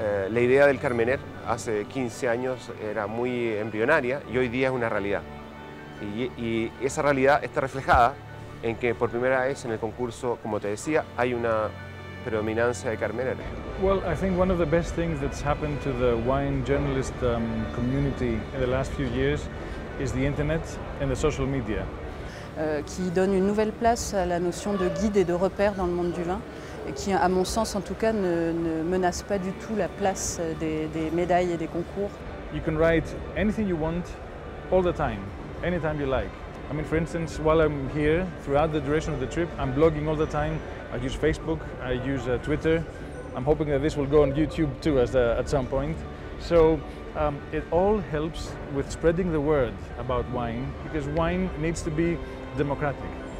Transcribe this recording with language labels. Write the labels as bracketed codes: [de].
[es] La idea del Carmener hace 15 años era muy embrionaria y hoy día es una realidad. Y esa realidad está reflejada en que por primera vez en el concurso, como te decía, hay una predominancia de Carmener. [en] Well, I think one of the best things that's happened to the wine journalist community in the last few years is the internet and the social media. [fr] Qui donne une nouvelle place à la notion de guide et de repère dans le monde du vin, et qui, à mon sens, en tout cas, ne menace pas du tout la place des médailles et des concours. [en] You can write anything you want, all the time, anytime you like. I mean, for instance, while I'm here, throughout the duration of the trip, I'm blogging all the time. I use Facebook, I use Twitter. I'm hoping that this will go on YouTube too at some point. So it all helps with spreading the word about wine, because wine needs to be democratic.